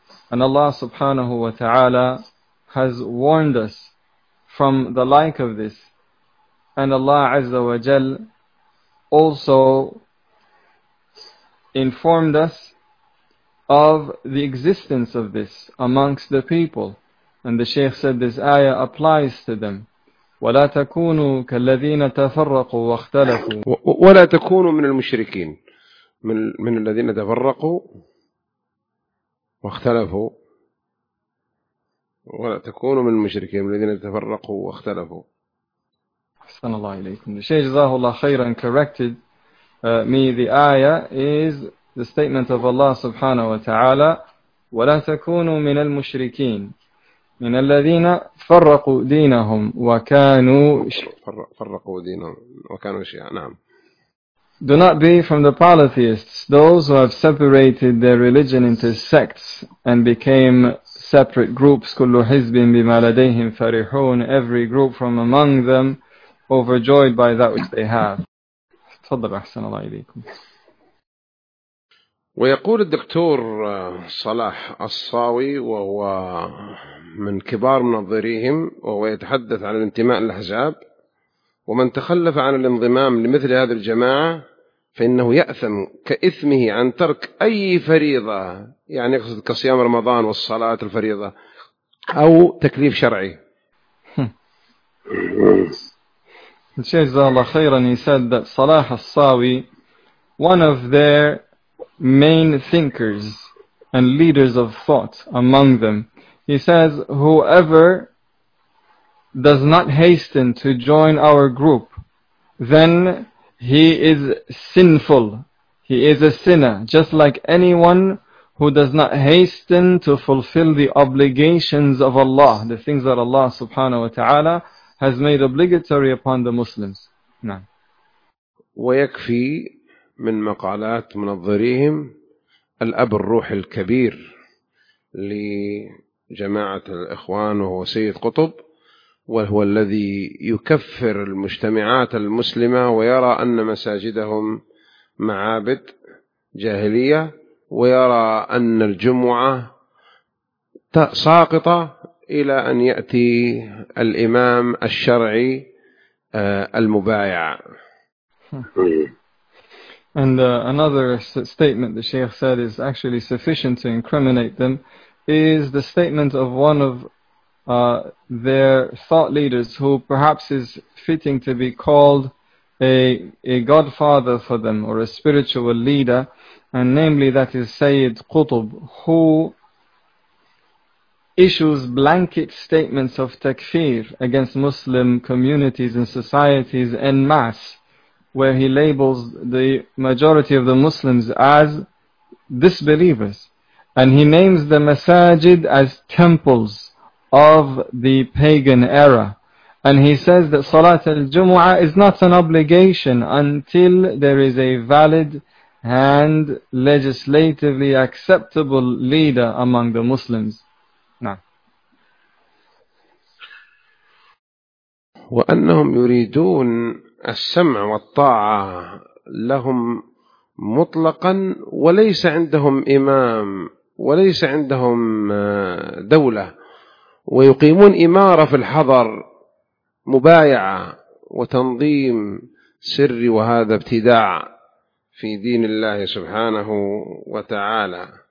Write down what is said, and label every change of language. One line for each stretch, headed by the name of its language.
English: And Allah subhanahu wa ta'ala has warned us from the like of this, and Allah azza wa jal also informed us of the existence of this amongst the people. And the Shaykh said this ayah applies to them.
Arabic: وَلَا تَكُونُوا كَالَّذِينَ تَفَرَّقُوا وَاخْتَلَفُوا وَلَا تَكُونُوا مِنَ الْمُشْرِكِينَ من الذين تفرقوا واختلفوا وَلَا تَكُونُوا مِنَ الْمُشْرِكِينَ من الذين تفرقوا واختلفوا أحسن الله إليكم
English: The Shaykh
Arabic: جزاه الله خيرا
English: corrected me the ayah is The statement of Allah subhanahu wa ta'ala,
Arabic: وَلَا تَكُونُوا مِنَ الْمُشْرِكِينَ مِنَ الَّذِينَ فَرَّقُوا دِينَهُمْ وَكَانُوا فَرَّقُوا دِينَهُمْ وَكَانُوا شِيَعًا نعم.
English: Do not be from the polytheists, those who have separated their religion into sects and became separate groups,
Arabic: كُلُّ حِزْبٍ بِمَا لَدَيْهِمْ فَرِحُونَ
English: Every group from among them overjoyed by that which they have.
Arabic: تفضل أحسن الله إليكم. ويقول الدكتور صلاح الصاوي وهو من كبار منظريهم وهو يتحدث عن الانتماء للأحزاب ومن تخلف عن الانضمام لمثل هذه الجماعة فإنه يأثم كإثمه عن ترك أي فريضة يعني يقصد كصيام رمضان والصلاة الفريضة أو تكليف شرعي
English: Jazakallah khairan, he said that Salah al-Sawi, one of their main thinkers and leaders of thought among them, he says, whoever does not hasten to join our group, then he is sinful. He is a sinner, just like anyone who does not hasten to fulfill the obligations of Allah, the things that Allah subhanahu wa ta'ala has made obligatory upon the Muslims.
Arabic: نعم. ويكفي من مقالات منظريهم الأب الروح الكبير لجماعة الإخوان وهو سيد قطب وهو الذي يكفر المجتمعات المسلمة ويرى أن مساجدهم معابد جاهلية ويرى أن الجمعة ساقطة إلى أن يأتي الإمام الشرعي المبايع.
English: And another statement the Shaykh said is actually sufficient to incriminate them is the statement of one of their thought leaders who perhaps is fitting to be called a godfather for them or a spiritual leader, and namely that is Sayyid Qutb, who issues blanket statements of takfir against Muslim communities and societies en masse, where he labels the majority of the Muslims as disbelievers. And he names the masajid as temples of the pagan era. And he says that Salat al-Jumu'ah is not an obligation until there is a valid and legislatively acceptable leader among the Muslims.
Arabic: وأنهم يريدون السمع والطاعة لهم مطلقا وليس عندهم إمام وليس عندهم دولة ويقيمون إمارة في الحضر مبايعة وتنظيم سري وهذا ابتداع في دين الله سبحانه وتعالى.